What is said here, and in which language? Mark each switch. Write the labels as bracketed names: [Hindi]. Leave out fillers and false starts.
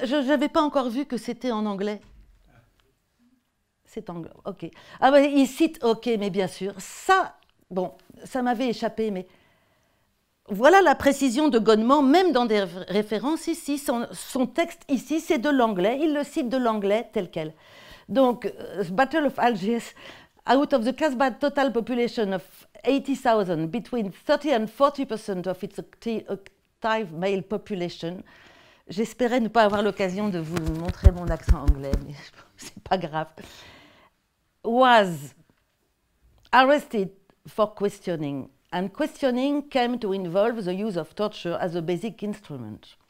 [French] Je n'avais pas encore vu que c'était en anglais. C'est anglais, ok. Ah oui, il cite, ok, mais bien sûr. Ça, bon, ça m'avait échappé, mais voilà la précision de Godemont, même dans des références ici. Son texte ici, c'est de l'anglais. Il le cite de l'anglais tel quel. [English] Donc, Battle of Algiers, out of the Casbah total population of 80,000, between 30 and 40% of its active male population. [French] J'espérais ne pas avoir l'occasion de vous montrer mon accent anglais, mais c'est pas grave. [English] Was arrested for questioning, and questioning came to involve the use of torture as a basic instrument.